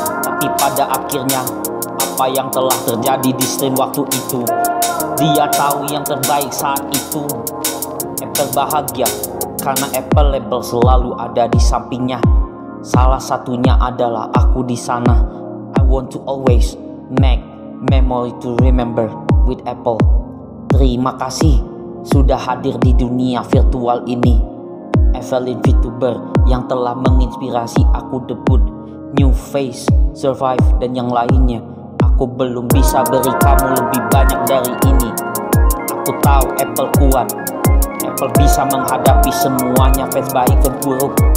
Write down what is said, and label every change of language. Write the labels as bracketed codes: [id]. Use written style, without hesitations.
[id] Tapi pada akhirnya, apa yang telah terjadi di stream waktu itu, dia tahu yang terbaik saat itu. Apple bahagia karena Apple label selalu ada di sampingnya. Salah satunya adalah aku di sana. [en] I want to always make memory to remember with Apple. [id] Terima kasih sudah hadir di dunia virtual ini. Evelyn VTuber yang telah menginspirasi aku debut, new face, survive dan yang lainnya. Aku belum bisa beri kamu lebih banyak dari ini. Aku tahu Apple kuat. Apple bisa menghadapi semuanya, fans baik dan buruk.